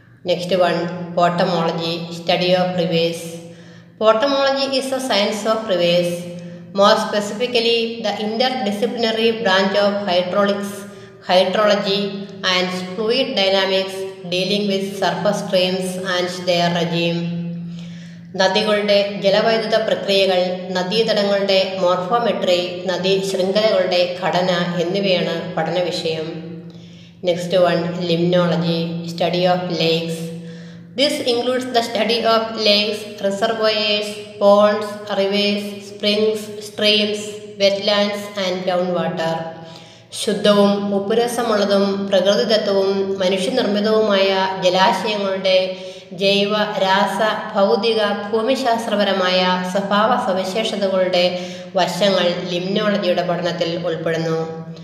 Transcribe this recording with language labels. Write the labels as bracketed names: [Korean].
[English] Next one, potamology, study of rivers. Potamology is a science of rivers, more specifically the interdisciplinary branch of hydraulics, hydrology and fluid dynamics dealing with surface streams and their regime. [Malayalam] നദികളുടെ ജലവൈദ്യുത പ്രക്രിയകൾ, നദീതടങ്ങളുടെ മോർഫോമെട്രി, നദീ ശൃംഖലകളുടെ ഘടന എന്നിവയാണ് പഠന വിഷയം. [English] Next one, limnology, study of lakes. This includes the study of lakes, reservoirs, ponds, rivers, springs, streams, wetlands and groundwater. [Malayalam] ശുദ്ധവും ഉപ്പുരസമുള്ളതും പ്രകൃതിദത്തവും മനുഷ്യനിർമ്മിതവുമായ ജലാശയങ്ങളുടെ ജൈവ, രാസ, ഭൗതിക, ഭൂമിശാസ്ത്രപരമായ സ്വഭാവ സവിശേഷതകളുടെ വശങ്ങൾ ലിമ്നോളജിയുടെ പഠനത്തിൽ ഉൾപ്പെടുന്നു.